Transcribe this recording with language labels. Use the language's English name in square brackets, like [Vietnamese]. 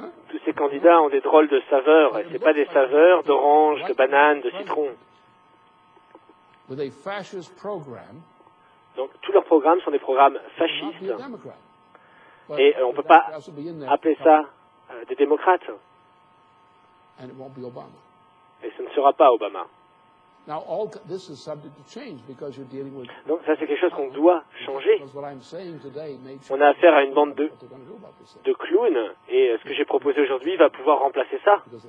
[French] Tous ces candidats ont des drôles de saveurs. Et c'est pas des saveurs d'orange, de banane, de citron. [English] With a fascist program. [French] Donc tous leurs programmes sont des programmes fascistes. Et on ne peut pas appeler ça des démocrates. [English] And it won't be Obama. [French] Et ce ne sera pas Obama. [English] Now, all this is subject to change because you're dealing with... [French] Donc ça, c'est quelque chose qu'on doit changer. On a affaire à une bande de clowns, et ce que j'ai proposé aujourd'hui va pouvoir remplacer ça.